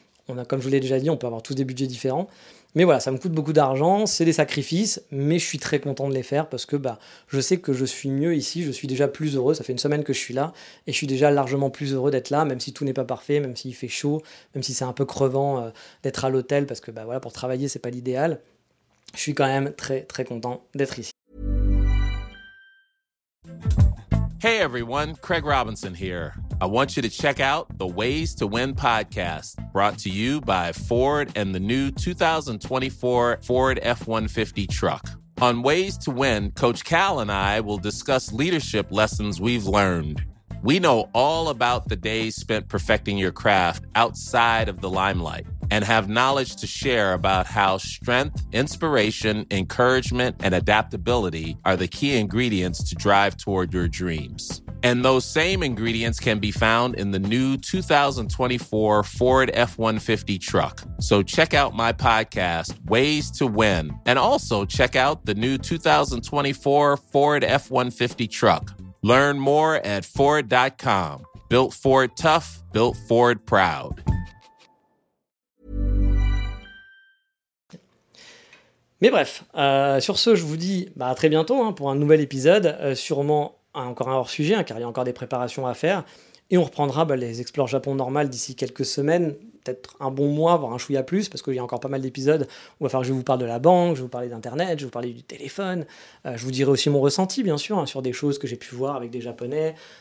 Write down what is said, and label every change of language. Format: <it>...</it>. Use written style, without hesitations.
<fr>On a, comme je vous l'ai déjà dit, on peut avoir tous des budgets différents. Mais voilà, ça me coûte beaucoup d'argent, c'est des sacrifices, mais je suis très content de les faire parce que bah, je sais que je suis mieux ici, je suis déjà plus heureux, ça fait une semaine que je suis là, et je suis déjà largement plus heureux d'être là, même si tout n'est pas parfait, même s'il fait chaud, même si c'est un peu crevant d'être à l'hôtel, parce que bah, voilà, pour travailler, c'est pas l'idéal. Je suis quand même très très content d'être ici.</fr> <en>Hey everyone, Craig Robinson here. I want you to check out the Ways to Win podcast, brought to you by Ford and the new 2024 Ford F-150 truck. On Ways to Win, Coach Cal and I will discuss leadership lessons we've learned. We know all about the days spent perfecting your craft outside of the limelight and have knowledge to share about how strength, inspiration, encouragement, and adaptability are the key ingredients to drive toward your dreams. And those same ingredients can be found in the new 2024 Ford F-150 truck. So check out my podcast, Ways to Win, and also check out the new 2024 Ford F-150 truck. Learn more at Ford.com. Built Ford tough, built Ford proud.</en> <fr>Mais bref, sur ce, je vous dis bah, à très bientôt hein, pour un nouvel épisode, sûrement encore un hors-sujet, hein, car il y a encore des préparations à faire, et on reprendra bah, les Explores Japon normales d'ici quelques semaines, peut-être un bon mois, voire un chouïa plus, parce qu'il y a encore pas mal d'épisodes où il va falloir que je vous parle de la banque, je vais vous parler d'Internet, je vais vous parler du téléphone, je vous dirai aussi mon ressenti, bien sûr, hein, sur des choses que j'ai pu voir avec des Japonais.</fr>